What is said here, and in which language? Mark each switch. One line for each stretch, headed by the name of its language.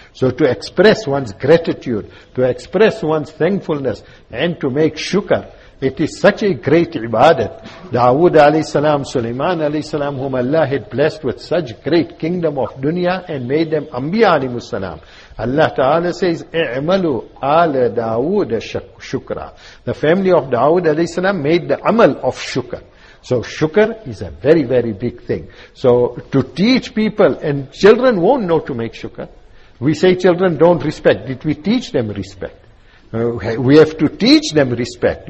English: So to express one's gratitude, to express one's thankfulness, and to make shukr, it is such a great ibadat. Dawood alayhi salam, Sulaiman alayhi salam, whom Allah had blessed with such great kingdom of dunya and made them anbiya alayhi salam. Allah Ta'ala says,
Arabic: اِعْمَلُوا آلَ دَاوُودَ شُكْرًا.
English: The family of Dawood alayhi salam made the amal of shukr. So shukr is a very, very big thing. So to teach people, and children won't know to make shukr. We say children don't respect. Did we teach them respect? We have to teach them respect.